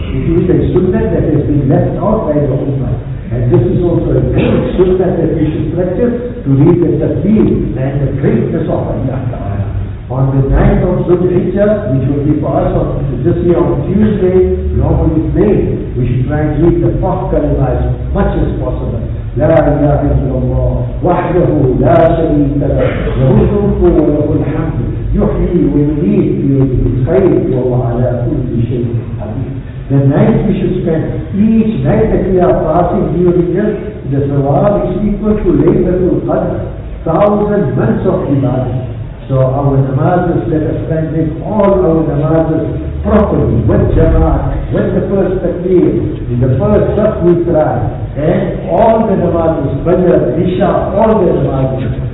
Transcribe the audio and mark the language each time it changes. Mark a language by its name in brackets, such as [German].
[English] It is a sunnah that has been left out by the Ummah. And this is also a great sunnah that we should practice, to read the tafsir and the greatness of Allah Ta'ala. On the 9th of Zulhijjah, which will be for us on this year on Tuesday, normally today, we should try and read the fourth kalima as much as possible. [Arabic] لا إله إلا الله وحده لا شريك له له الملك وله الحمد يحيي ويميت بيده الخير وهو على كل شيء قدير. [English] The night we should spend, each night that we are passing during this, the thawab is equal to Laylatul Qadr, 1,000 months of ibadah. So our namazes, let us spend it, all our namazes properly, with jama'at, with the first takbir, in the first sub-mitra, and all the namazes, fajr, isha, all the namazes.